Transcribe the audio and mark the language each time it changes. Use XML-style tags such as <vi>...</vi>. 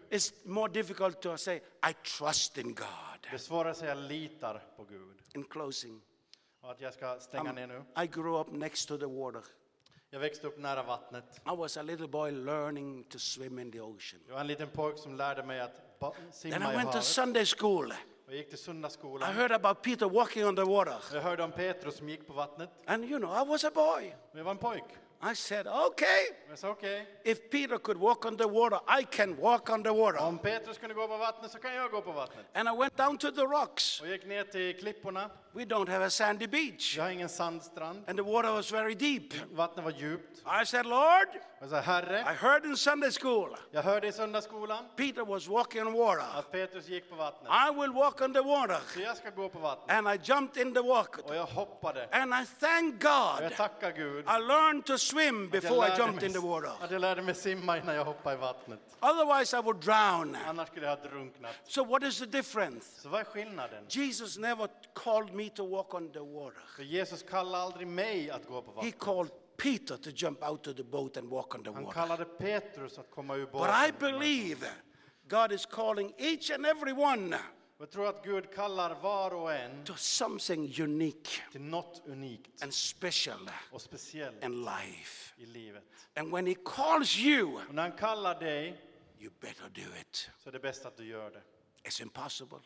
<en>It's more difficult to say I trust in God.</en> <sv>Det är svårare att säga litar på Gud.</sv> <en>In closing.</en> <sv>Och att jag ska stänga ner nu.</sv> <en>I grew up next to the water.</en> <sv>Jag växte upp nära vattnet.</sv> <en>I was a little boy learning to swim in the ocean.</en> <sv>Jag var en liten pojke som lärde mig att simma.</sv> <en>Then I went to Sunday school.</en> <sv>Jag gick till söndagsskolan.</sv> <en>I heard about Peter walking on the water.</en> <sv>Jag hörde om Petrus som gick på vattnet.</sv> <en>And you know, I was a boy.</en> <sv>Jag var en pojke.</sv> <en>I said, okay. It's okay. If Peter could walk on the water, I can walk on the water.</en> <sv>Om Petrus kunde gå på vattnet så kan jag gå på vattnet.</sv> <en>And I went down to the rocks.</en> <sv>Och gick ner till klipporna.</sv> <en>We don't have a sandy beach.</en> <sv>Vi har ingen sandstrand.</sv> <en>And the water was very deep.</en> <sv>Vattnet var djupt.</sv> <en>I said, Lord.</en> <sv>Jag sa, Herre.</sv> <en>I heard in Sunday school.</en> <sv>Jag hörde i söndagsskolan.</sv> <en>Peter was walking on water.</en> <sv>Att Petrus gick på vattnet.</sv> <en>I will walk on the water.</en> <sv>Så jag ska gå på vattnet.</sv> <en>And I jumped in the water.</en> <sv>Och jag hoppade.</sv> <en>And I thank God.</en> <sv>Jag tackar Gud.</sv> <en>I learned to swim before I jumped in the water.</en> <sv>Jag lärde mig simma innan jag hoppade i vattnet.</sv> <en>Otherwise I would drown.</en> <sv>Annars skulle jag ha drunknat.</sv> <en>So what is the difference?</en> <sv>Så vad är skillnaden?</sv> <en>Jesus never called me to walk on the water.</en> <sv>Jesus kallade aldrig mig att gå på vattnet.</sv> <en>He called Peter to jump out of the boat and walk on the water.</en> <sv>Han kallade Petrus att komma ur båten.</sv> <en>But I believe God is calling each and every one.</en> <sv>Jag tror att Gud kallar var och en</sv> <en>to something unique,</en> <sv>till något unikt</sv> <en>and special,</en> <sv>och speciell</sv> <en>in life,</en> <sv>i livet.</sv> <en>And when he calls you,</en> <sv>och när han kallar dig,</sv> <en>you better do it.</en> <sv>Så det är bäst att du gör det.</sv> <en>It's impossible.</en>